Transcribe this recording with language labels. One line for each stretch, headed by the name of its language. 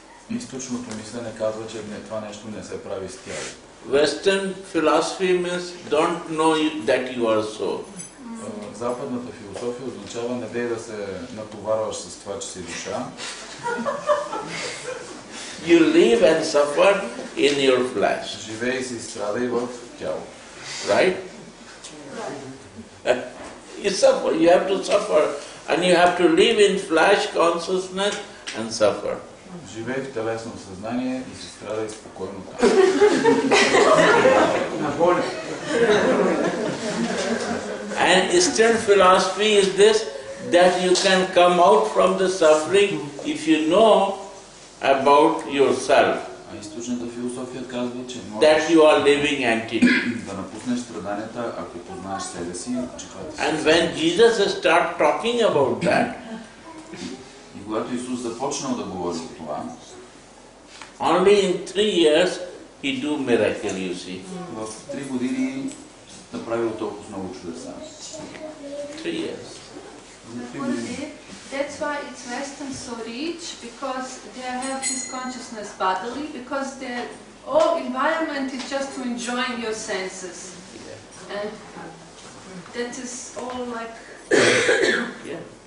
Bulgarian: Източното мислене казва, че това нещо не се прави с тяло.
English: Western philosophy means don't know that you are so.
Bulgarian: Западната философия означава не дей да се натоварваш с това, че си душа.
English: You live and suffer in your flesh.
Bulgarian: Живей си и страдай в тяло.
English: Right? You suffer, you have to suffer. And you have to live in flesh consciousness and suffer.
Bulgarian: Живей в телесно съзнание и си страдай спокойно там. На боли.
English: And Eastern philosophy is this, that you can come out from the suffering if you know about yourself.
Bulgarian: А източната философия казва, че можеш
English: that you are living entity.
Bulgarian: Да напуснеш страданията, ако познаеш себе си, че това е.
English: And when Jesus start talking about that,
Bulgarian: и когато Исус започнал да говори за това,
English: only in 3 years he do miracle, you see.
Bulgarian: В 3 години направил толкова много чудеса.
English: 3 years. That's why it's Western so rich, because they have this consciousness bodily, because their all environment is just to enjoy your senses. Yeah. And that is all like... yeah.